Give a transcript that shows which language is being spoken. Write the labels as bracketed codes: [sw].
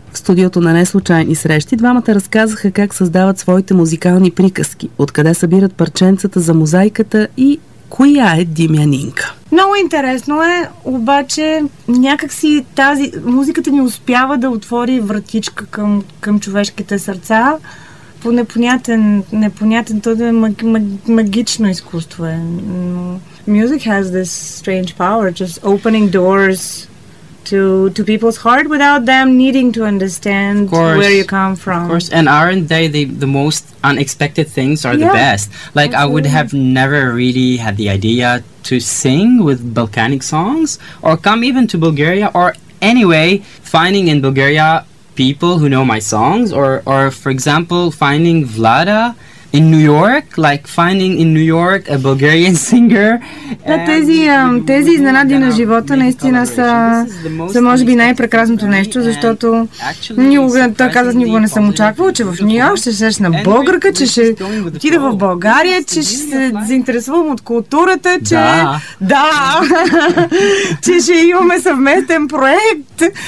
[bg] В студиото на Неслучайни срещи двамата разказаха как създават своите музикални приказки, откъде събират парченцата за мозайката и коя е Димя Нинка. Много интересно е, обаче някак си тази музиката ни успява да отвори вратичка към човешките сърца. По непонятен, то е магично изкуство е. [en] Music has this strange power, just opening doors to people's heart without them needing to understand where you come from. Of course, and aren't they the most unexpected things are the best? Like, absolutely. I would have never really had the idea to sing with Balkanic songs or come even to Bulgaria or anyway, finding in Bulgaria people who know my songs or for example, finding Vlada in New York, like finding in New York a Bulgarian singer. [bg] Да, тези изненади на живота наистина са може би най-прекрасното нещо, защото никога не съм очаквал, че в Нью-Йорк ще срещна на българка, че ще отида в България, че ще се заинтересувам от културата, че да, че ще имаме съвместен проект.